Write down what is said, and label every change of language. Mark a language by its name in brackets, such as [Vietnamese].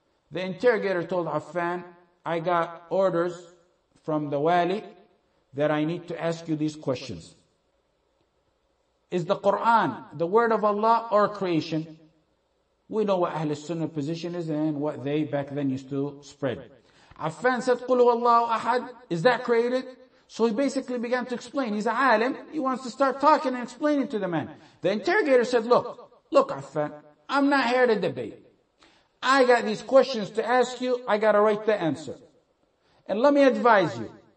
[English] The interrogator told Affan, I got orders from the wali that I need to ask you these questions. Is the Quran the word of Allah or creation? We know what Ahl Sunnah position is and what they back then used to spread. Affan said, [Arabic] قُلْ هُوَ اللَّهُ أَحَدْ. [English] Is that created? So he basically began to explain. He's a alim. He wants to start talking and explaining to the man. The interrogator said, look, Affan, I'm not here to debate. I got these questions to ask you. I got to write the answer. And let me advise you.